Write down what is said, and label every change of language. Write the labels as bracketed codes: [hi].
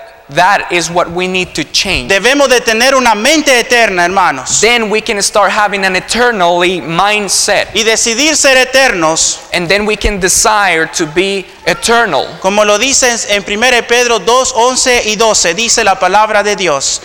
[en] That is what we need to change. [es] Debemos de tener una mente eterna, hermanos. [en] Then we can start having an eternally mindset. [es] Y decidir ser eternos. [en] And then we can desire to be eternal. [es] Como lo dice en 1 Pedro 2, 11 y 12, dice la palabra de Dios.